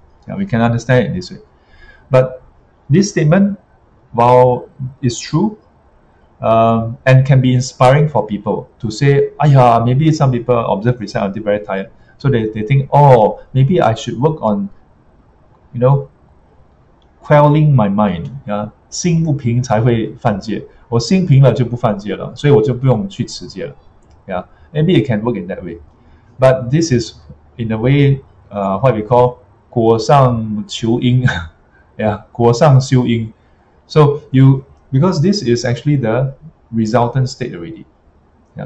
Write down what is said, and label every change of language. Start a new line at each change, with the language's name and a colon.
English: Yeah, we can understand it this way. But this statement, while it's true, and can be inspiring for people to say, yeah, maybe some people observe precepts until very tired. So they think, oh, maybe I should work on, you know, quelling my mind. Yeah,
Chinese: 心不平才会犯戒. 我心平了就不犯戒了，所以我就不用去持戒了.
English: Yeah, maybe it can work in that way. But this is in a way, what we call
Chinese: 果上求因.
English: Yeah,
Chinese: 果上修因.
English: So you, because this is actually the resultant state already. Yeah.